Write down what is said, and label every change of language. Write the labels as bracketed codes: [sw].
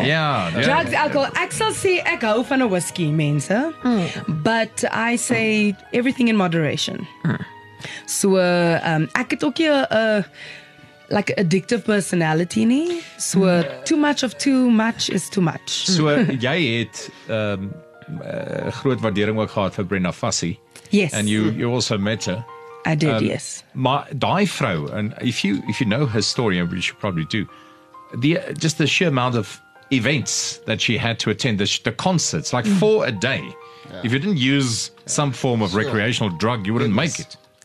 [en] Drugs, alcohol. Axel, see, I go for a whiskey, man, sir. But I say everything in moderation. So, [af] ek het ook like addictive personality nie. [en] So, too much of too much is too much. [af] So, jy het groot waardering ook gehad vir Brenda Fassie. [en] Yes. And you also met her. I did, yes. [af] Maar die vrou, [en] and if you know her story, which you probably do, just the sheer amount of events that she had to attend, the concerts, like 4 a day. Yeah. If you didn't use some form of recreational drug, you wouldn't make it.